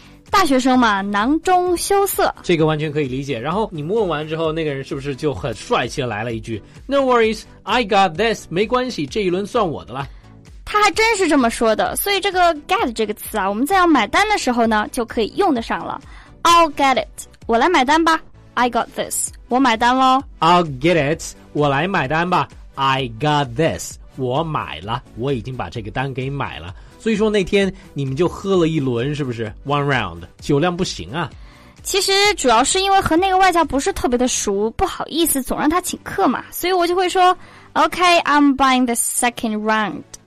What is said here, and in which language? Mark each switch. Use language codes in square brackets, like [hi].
[zh] 大学生嘛，囊中羞涩，这个完全可以理解。然后你问完之后，那个人是不是就很帅气的来了一句 [en] No worries, I got this, [zh] 没关系，这一轮算我的了。他还真是这么说的，所以这个 get 这个词啊，我们在要买单的时候呢就可以用得上了。 [en] I'll get it, [zh] 我来买单吧。 [en] I got this, [zh] 我买单咯。 [en] I'll get it, [zh] 我来买单吧。 [en] I got this, [zh] 我买了，我已经把这个单给买了。所以说那天你们就喝了一轮是不是？ [en] One round, [zh] 酒量不行啊。其实主要是因为和那个外教不是特别的熟，不好意思总让他请客嘛，所以我就会说 [en] OK, I'm buying the second round,